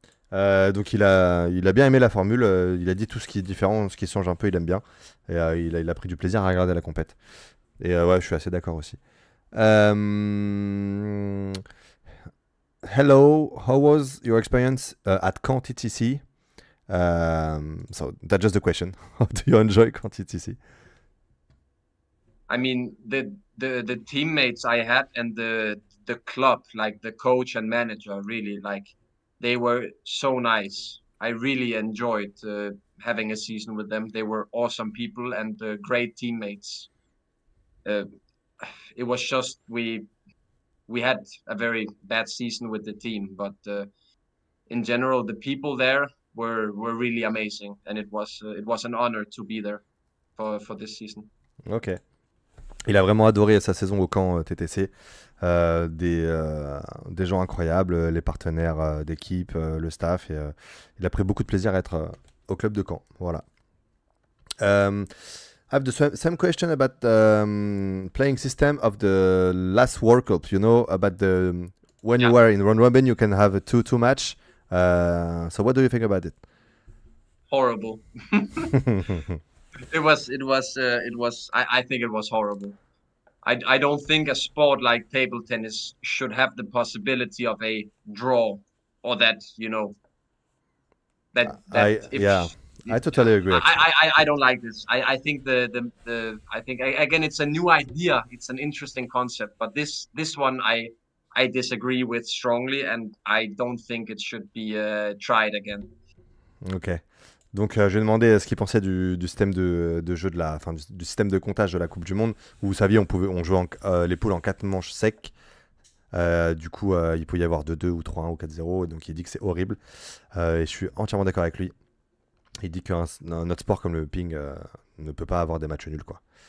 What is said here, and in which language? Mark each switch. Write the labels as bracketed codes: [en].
[fr] Donc il a bien aimé la formule, il a dit tout ce qui est différent, ce qui change un peu, il aime bien. Et il a pris du plaisir à regarder la compète. Et ouais, je suis assez d'accord aussi. [en] Hello, how was your experience at Quantity TC? So that's just the question. How do you enjoy Quantity TC? I mean, the teammates I had and the club, like the coach and manager, really, like, they were so nice. I really enjoyed having a season with them. They were awesome people and great teammates. It was just we had a very bad season with the team, but in general, the people there were really amazing, and it was an honor to be there for this season. Ok. [fr] Il a vraiment adoré sa saison au camp TTC. Des gens incroyables, les partenaires d'équipe, le staff. Et, il a pris beaucoup de plaisir à être au club de camp. Voilà. [en] I have the same question about the playing system of the last World Cup. You know, about the when you were in round robin, you can have a 2-2 match. So what do you think about it? Horrible. It was. I think it was horrible. I don't think a sport like table tennis should have the possibility of a draw, or that you know. I totally agree. I don't like this. I think I think again it's a new idea. It's an interesting concept, but this one I disagree with strongly, and I don't think it should be tried again. Okay. [fr] Donc, je lui ai demandé ce qu'il pensait du système de jeu de la, enfin, du système de comptage de la Coupe du Monde, où vous saviez on jouait les poules en 4 manches secs. Du coup, il peut y avoir 2-2 ou 3-1 ou 4-0. Donc, il dit que c'est horrible. Et je suis entièrement d'accord avec lui. Il dit qu'un autre sport comme le ping ne peut pas avoir des matchs nuls, quoi.